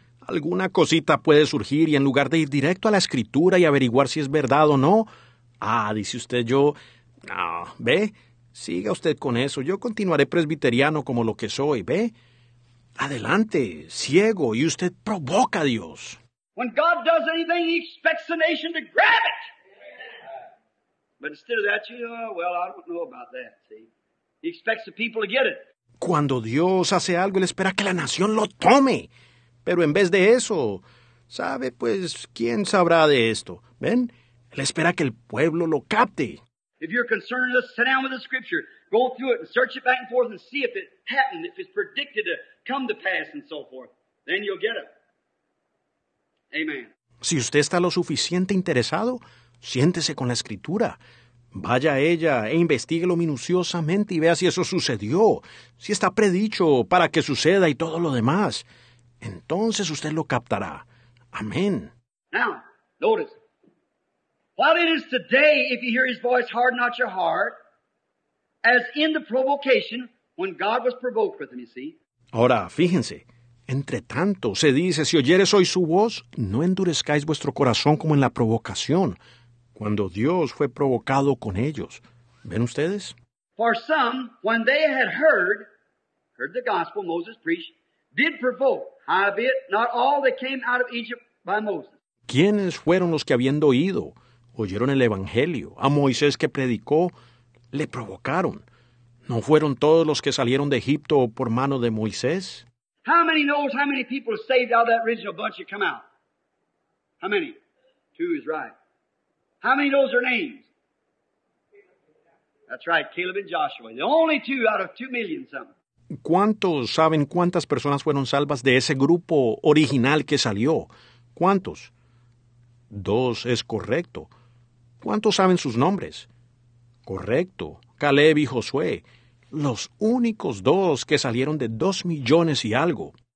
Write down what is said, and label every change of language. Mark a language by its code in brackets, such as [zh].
[es] Alguna cosita puede surgir y en lugar de ir directo a la escritura y averiguar si es verdad o no, dice usted yo, no, ve, siga usted con eso, yo continuaré presbiteriano como lo que soy, ve, adelante, ciego, y usted provoca a Dios. [en] When God does anything, he expects the nation to grab it. But instead of that, I don't know about that, see. He expects the people to get it. [es] Cuando Dios hace algo, él espera que la nación lo tome. Pero en vez de eso, ¿sabe? Pues, ¿quién sabrá de esto? ¿Ven? Él espera que el pueblo lo capte. [en] If you're concerned, just sit down with the scripture. Go through it and search it back and forth and see if it happened, if it's predicted to come to pass and so forth. Then you'll get it. Amen. [es] Si usted está lo suficiente interesado, siéntese con la escritura. Vaya a ella e investíguelo minuciosamente y vea si eso sucedió, si está predicho para que suceda y todo lo demás. Entonces usted lo captará. Amén. [en] Now, notice. While it is today, if you hear his voice, harden not your heart, as in the provocation, when God was provoked with him, you see. [es] Ahora, fíjense. Entre tanto, se dice, si oyeres hoy su voz, no endurezcáis vuestro corazón como en la provocación, cuando Dios fue provocado con ellos. ¿Ven ustedes? [en] For some, when they had heard the gospel Moses preached, did provoke. Howbeit, not all that came out of Egypt by Moses. [es] ¿Quiénes fueron los que habiendo oído, oyeron el Evangelio, a Moisés que predicó, le provocaron? ¿No fueron todos los que salieron de Egipto por mano de Moisés? [en] How many knows how many people saved out of that original bunch that come out? How many? Two is right. How many knows their names? That's right, Caleb and Joshua. The only two out of 2 million something. [es] ¿Cuántos saben cuántas personas fueron salvas de ese grupo original que salió? ¿Cuántos? 2 es correcto. ¿Cuántos saben sus nombres? Correcto. Caleb y Josué. Los únicos 2 que salieron de 2 millones y algo.